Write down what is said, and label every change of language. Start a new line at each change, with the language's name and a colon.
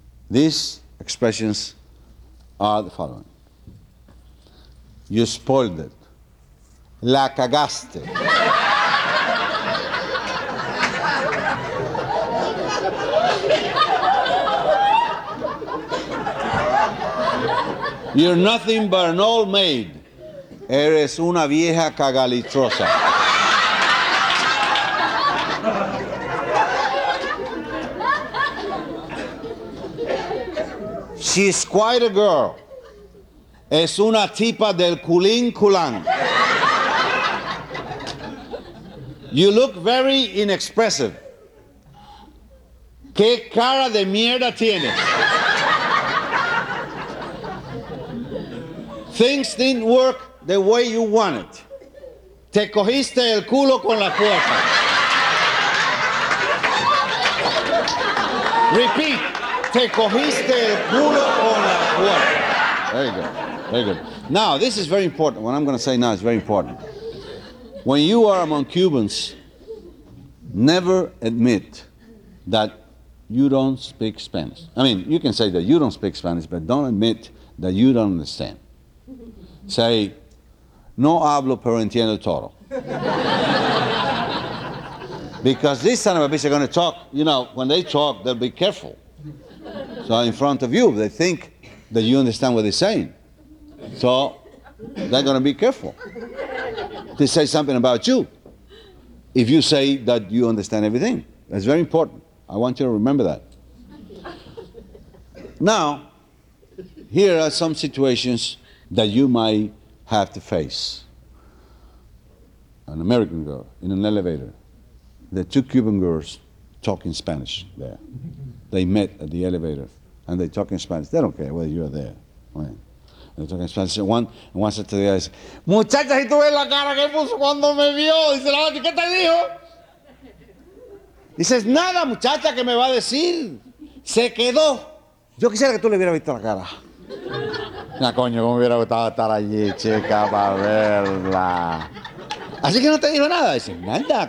English: These expressions are the following. You spoiled it.
Spanish: La cagaste.
English: You're nothing but an old maid.
Spanish: Eres una vieja cagalitrosa.
English: She's quite a girl.
Spanish: Es una tipa del culín culán.
English: You look very inexpressive.
Spanish: ¿Qué cara de mierda tienes?
English: Things didn't work the way you want it.
Spanish: Te cogiste el culo con la fuerza.
English: Repeat.
Spanish: Te cogiste el culo con la fuerza.
English: Very good. Very good. Now, this is very important. What I'm going to say now is very important. When you are among Cubans, never admit that you don't speak Spanish. I mean, you can say that you don't speak Spanish, but don't admit that you don't understand. Say,
Spanish: no hablo pero entiendo todo.
English: Because this son of a bitch are going to talk, you know, when they talk, they'll be careful. So in front of you, they think that you understand what they're saying. So they're going to be careful. They say something about you. If you say that you understand everything, that's very important. I want you to remember that. Now, here are some situations that you might have to face. An American girl in an elevator. The two Cuban girls talking Spanish there. They met at the elevator and they talk in Spanish. They don't care whether you're there. Right? They're talking Spanish. One said to the other,
Spanish: muchacha, si tú ves la cara que puso cuando me vio, dice la otra, ¿qué te dijo? Dices, nada, muchacha, ¿qué me va a decir? Se quedó. Yo quisiera que tú le hubieras visto la cara. Na coño, cómo hubiera gustado estar allí, chica, para verla. Así que no te dijo nada. Dice, nada.